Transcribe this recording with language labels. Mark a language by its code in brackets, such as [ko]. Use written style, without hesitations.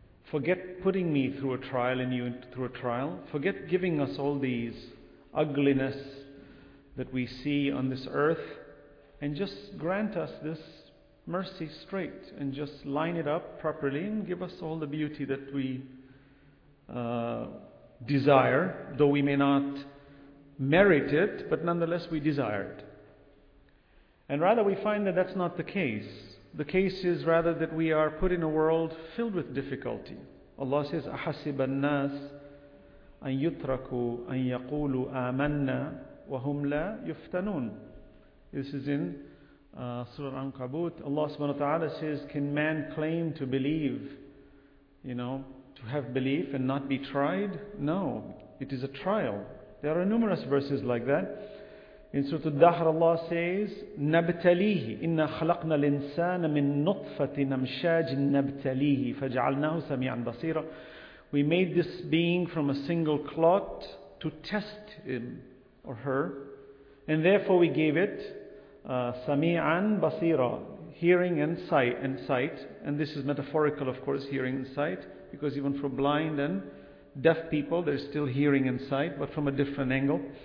[en] forget putting me through a trial and you through a trial, forget giving us all these ugliness that we see on this earth, and just grant us this mercy straight and just line it up properly and give us all the beauty that we desire, though we may not merit it, but nonetheless we desire it. And rather we find that that's not the case. The case is rather that we are put in a world filled with difficulty. Allah says, [ar] أَحَسِبَ النَّاسِ أَن يُتْرَكُوا أَن يَقُولُوا آمَنَّا وَهُمْ لَا يُفْتَنُونَ. [en] This is in Surah Al-Ankabut. Allah subhanahu wa ta'ala says, can man claim to believe, you know, to have belief and not be tried? No, it is a trial. There are numerous verses like that. In Surah Al-Dahr, Allah says, [ar] نَبْتَلِيهِ إِنَّا خَلَقْنَا الْإِنسَانَ مِنْ نُطْفَةٍ أَمْشَاجٍ نَبْتَلِيهِ فَجَعَلْنَاهُ سَمِيعًا بَصِيرًا. [en] We made this being from a single clot to test him or her, and therefore we gave it [ar] سَمِيعًا بَصِيرًا, [en] hearing and sight, and this is metaphorical, of course, hearing and sight, because even for blind and deaf people, there's still hearing and sight, but from a different angle.